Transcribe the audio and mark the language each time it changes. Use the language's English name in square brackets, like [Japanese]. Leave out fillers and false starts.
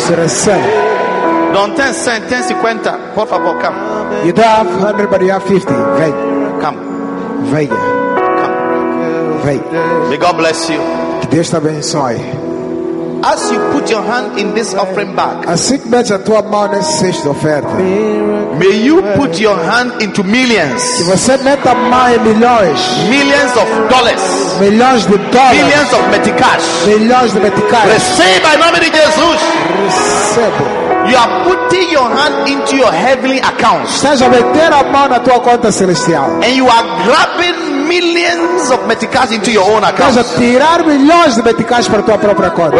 [Portuguese] Receba. [English] Don't 10 cents, 10 50. [Portuguese] Por favor, [English] come. You don't have 100, but you have 50. [Portuguese] Venha. [English] Come. [Portuguese] Venha. [English] Come. [Portuguese] Venha. [English] May God bless you. [Portuguese] Que Deus te abençoe. [English] As you put your hand in this offering bag. [Portuguese] Assim que metes a tua mão nesse cesto de oferta. [English] May you put your hand into millions. [Portuguese] Que você meta mais milhões. [English] Millions of dollars. [Portuguese] Milhões de dólares. [English] Millions of meticais. [Portuguese] Milhões de meticais. Receba em nome de Jesus. Receba. [English] You are putting your hand into your heavenly account. [Portuguese] Estás a meter a mão na tua conta celestial. [English] And you are grabbing millions of meticais into your own account. [Portuguese] Estás a tirar milhões de meticais para tua própria conta.